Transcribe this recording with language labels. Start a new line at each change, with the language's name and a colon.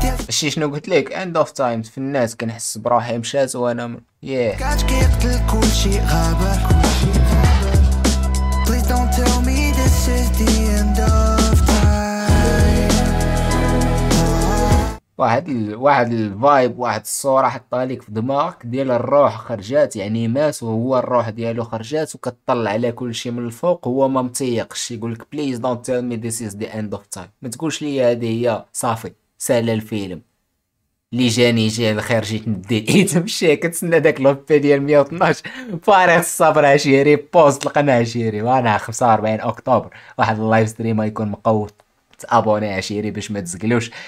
Arabic: شي شنو قلت لك؟
English: end of time,
Arabic: في الناس كنحس بروحي مشات وانا كاتش كيقتل كل شي غابة.
English: Please don't tell me this is the end of time.
Arabic: واحد الفايب، واحد الصورة حطها لك في دماغك ديال الروح خرجات، يعني ماس وهو الروح ديالو خرجات، وكتطلع على كل شي من الفوق، هو ما متيقش، يقول لك
English: Please don't tell me this is the end of time،
Arabic: ما تقولش لي هذه هي صافي سال الفيلم، لي جاني جا الخير، جيت ندي ايت مشي كتسنى داك لوبي ديال 112 فارغ الصبر عشيري، بوست القناة عشيري، وانا 45 اكتوبر واحد اللايف ستريم غيكون مقوت، تابوني عشيري باش ما تزقلوش.